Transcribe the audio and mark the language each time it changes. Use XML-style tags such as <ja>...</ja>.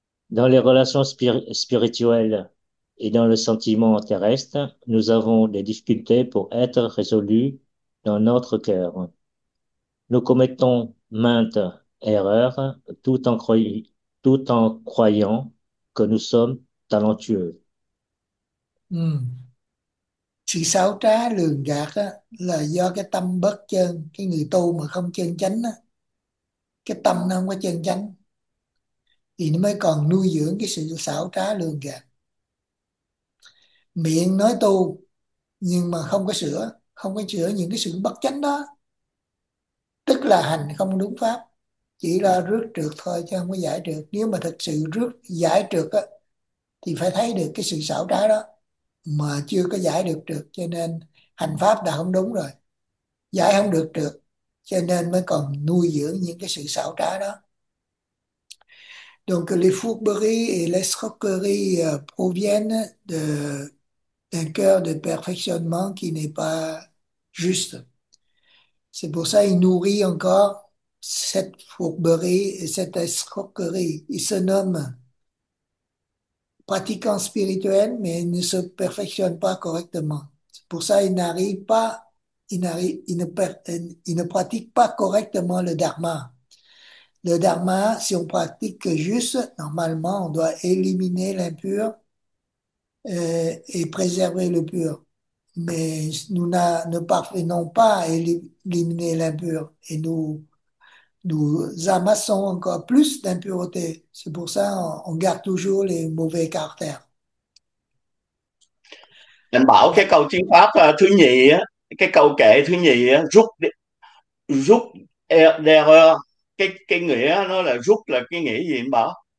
<fr>Dans les relations spirituelles et dans le sentiment terrestre, nous avons des difficultés pour être résolus dans notre cœur. Nous commettons maintes erreurs tout en croyant que nous sommes talentueux.</fr> <vi>Sự xảo trá lường gạt á, là do cái tâm bất chân, cái người tu mà không chân chánh á, cái tâm nó không có chân chánh thì nó mới còn nuôi dưỡng cái sự xảo trá lường gạt. Miệng nói tu nhưng mà không có sửa, không có sửa những cái sự bất chánh đó, tức là hành không đúng pháp, chỉ là rước trượt thôi chứ không có giải trượt. Nếu mà thật sự rước giải trượt á thì phải thấy được cái sự xảo trá đó mà chưa có giải được trượt, cho nên hành pháp đã không đúng rồi, giải không được trượt cho nên mới còn nuôi dưỡng những cái sự xảo trá đó.</vi> <fr>Donc les fourberies et les escroqueries proviennent de d'un cœur de perfectionnement qui n'est pas juste. C'est pour ça qu'il nourrit encore cette fourberie et cette escroquerie. Il se nomme pratiquant spirituel, mais il ne se perfectionne pas correctement. C'est pour ça qu'il n'arrive pas, il ne pratique pas correctement le dharma. Le dharma, si on pratique juste, normalement, on doit éliminer l'impur et préserver le pur. Mais nous ne parvenons pas à éliminer l'impur et nous amassons encore plus d'impuretés. C'est pour ça qu'on garde toujours les mauvais caractères.</fr> <vi>Anh bảo cái câu chính pháp thứ nhì, cái câu kệ thứ nhì, rút rút đeo, cái nghĩa nó là rút là cái nghĩa gì anh bảo?</vi>